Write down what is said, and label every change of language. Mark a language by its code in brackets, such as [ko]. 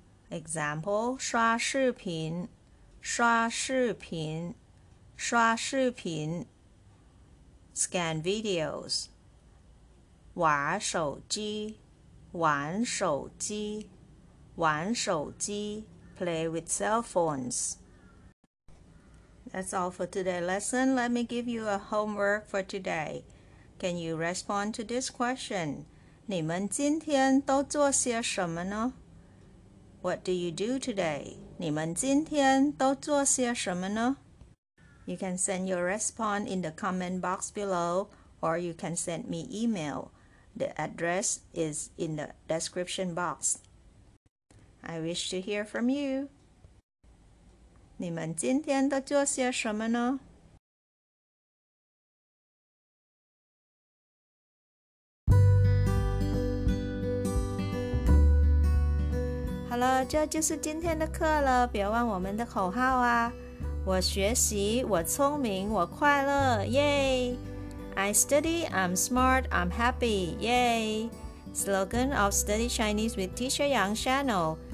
[en] Example, [zh] 刷视频刷视频刷视频 [en] scan videos, [zh] 玩手机玩手机玩手机 [en] play with cell phones. That's all for today's lesson. Let me give you a homework for today. Can you respond to this question? [zh] 你们今天都做些什么呢? [en] What do you do today? [zh] 你们今天都做些什么呢? [en] You can send your response in the comment box below, or you can send me email. The address is in the description box. I wish to hear from you. [zh] 你们今天都做些什么呢? Hello, 这就是今天的课了。别忘我们的口号啊。我学习，我聪明，我快乐，耶！ [en] I study, I'm smart, I'm happy. Yay! Slogan of Study Chinese with Teacher Yang Channel.